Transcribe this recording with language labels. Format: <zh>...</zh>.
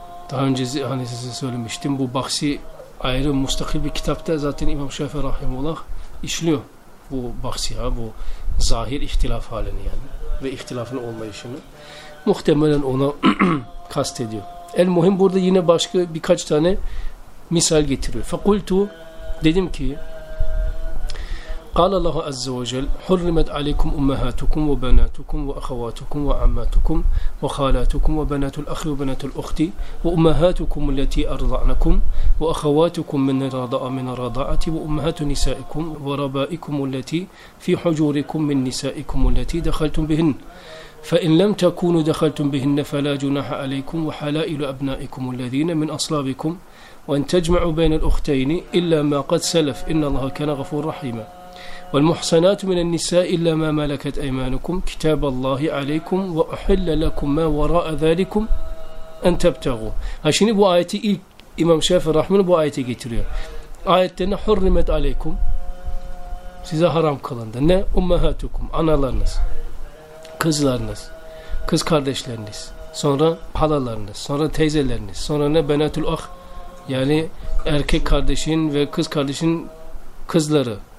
<tr>Daha önce hani size söylemiştim bu bahsi ayrı müstakil bir kitapta zaten İmam Şafii Rahimullah işliyor bu bahsi ha bu zahir ihtilaf halini yani ve ihtilafın olmayışını muhtemelen ona kastediyor.</tr> <ar>El muhim</ar> <tr>burada yine başka birkaç tane misal getiriyor.</tr> <ar>Fakultu</ar> <tr>dedim ki</tr> <ar>قال الله عز وجل حرمت عليكم امهاتكم وبناتكم واخواتكم وعماتكم وخالاتكم وبنات الاخ وبنات الاخت وامهاتكم التي ارضعنكم واخواتكم من الرضاعه من الرضاعه وامهات نسائكم وربائكم التي في حجوركم من نسائكم التي دخلتم بهن فان لم تكونوا دخلتم بهن فلا جناح عليكم وحلائل ابنائكم الذين من اصلابكم وان تجمعوا بين الاختين الا ما قد سلف ان الله كان غفورا رحيما والمحصنات من النساء إلا ما ملكت أيمانكم كتاب الله عليكم وأحل لكم ما وراء ذلكم أن تبتغوا.</ar> <tr>Şimdi bu ayeti ilk İmam Şafii Rahimullah bu ayeti getiriyor. Ayette ne</tr> <ar>hurrimet aleykum</ar> <tr>size haram kılındı. Ne</tr> <ar>ummahatukum</ar> <tr>analarınız, kızlarınız, kız kardeşleriniz, sonra halalarınız, sonra teyzeleriniz, sonra ne</tr> <ar>benatul ah</ar> <tr>yani erkek kardeşin ve kız kardeşin kızları.</tr>